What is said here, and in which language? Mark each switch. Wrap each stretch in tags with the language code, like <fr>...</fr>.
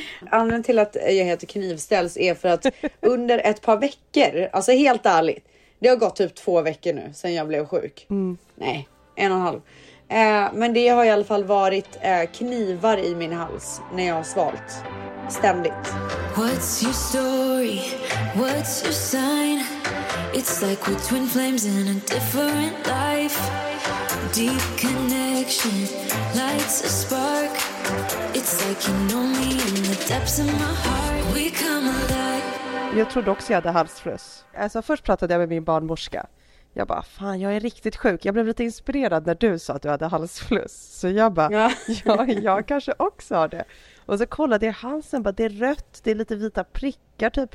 <sv>Anledningen till att jag heter knivställs är för att under ett par veckor, alltså helt ärligt, det har gått typ 2 veckor nu sedan jag blev sjuk. Mm. Nej, 1,5. Men det har i alla fall varit knivar i min hals när jag har svalt. Ständigt.</sv> <en>What's your story? What's your sign? It's like we're twin flames in a different life. Deep connection, lights a spark. It's like you know me in the depths of my heart. We come alive.</en> <sv>Jag trodde också jag hade halsfluss. Alltså först pratade jag med min barnmorska. Jag bara, fan jag är riktigt sjuk. Jag blev lite inspirerad när du sa att du hade halsfluss. Så jag bara, jag kanske också har det. Och så kollade jag halsen, bara, det är rött, det är lite vita prickar typ.</sv>